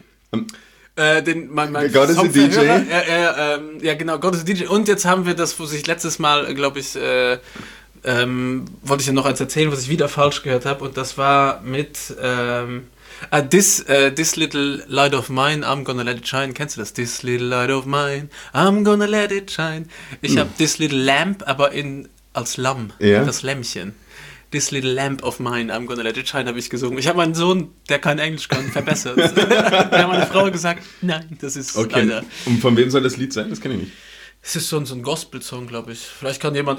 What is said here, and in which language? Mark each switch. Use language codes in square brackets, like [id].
[en] God is a DJ? [de] Ja, genau, [en] God is a DJ. [de] Und jetzt haben wir das, wo sich letztes Mal, glaube ich... wollte ich ja noch eins erzählen, was ich wieder falsch gehört habe, und das war mit [en] this little light of mine, I'm gonna let it shine. [de] Kennst du das? [en] This little light of mine, I'm gonna let it shine. [de] Ich habe [en] this little lamp, [de] aber als Lamm, yeah. Das Lämmchen. [en] This little lamp of mine, I'm gonna let it shine, [de] habe ich gesungen. Ich habe meinen Sohn, der kein Englisch kann, verbessert. Da hat meine Frau gesagt, nein, das ist okay. Leider. Und von wem soll das Lied sein? Das kenne ich nicht. Es ist so ein Gospel-Song, glaube ich. Vielleicht kann jemand